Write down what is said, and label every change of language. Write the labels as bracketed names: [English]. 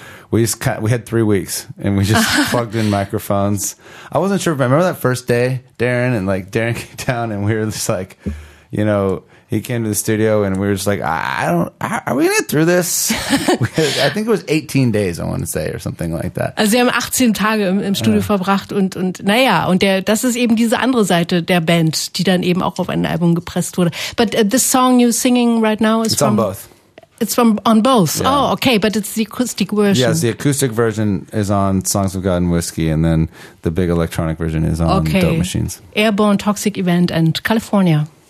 [English] We had 3 weeks and we just plugged in microphones. I wasn't sure if I remember that first day, Darren, and like Darren came down and we were just like, you know, he came to the studio and we were just like, are we going to get through this? I think it was 18 days, I want to say, or something like that. [German] Also, sie haben 18 Tage im Studio verbracht und naja, und der, das ist eben diese andere Seite der Band, die dann eben auch auf ein Album gepresst wurde. [English] But this song you're singing right now is on both. It's from on both. Yeah. Oh, okay, but it's the acoustic version. Yes, the acoustic version is on Songs of God and Whiskey, and then the big electronic version is on Dope Machines. Airborne Toxic Event and California.